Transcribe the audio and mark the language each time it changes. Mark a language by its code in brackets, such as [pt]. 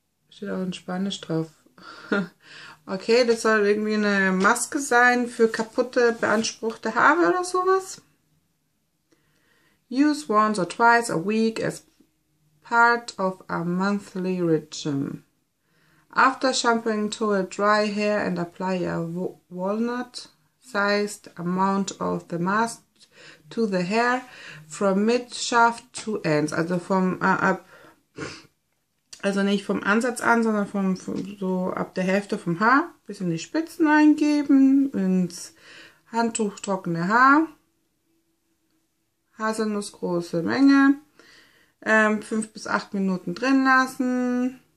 [de] Steht auch in Spanisch drauf. Okay, das soll irgendwie eine Maske sein für kaputte, beanspruchte Haare oder sowas. [en] Use once or twice a week as part of a monthly regime. After shampooing to a dry hair and apply a walnut-sized amount of the mask to the hair from mid-shaft to ends. [de] Also vom ab, also nicht vom Ansatz an, sondern vom so ab der Hälfte vom Haar bis in die Spitzen eingeben, ins Handtuch trockene Haar. Haselnuss große Menge. 5 bis 8 Minuten drin lassen.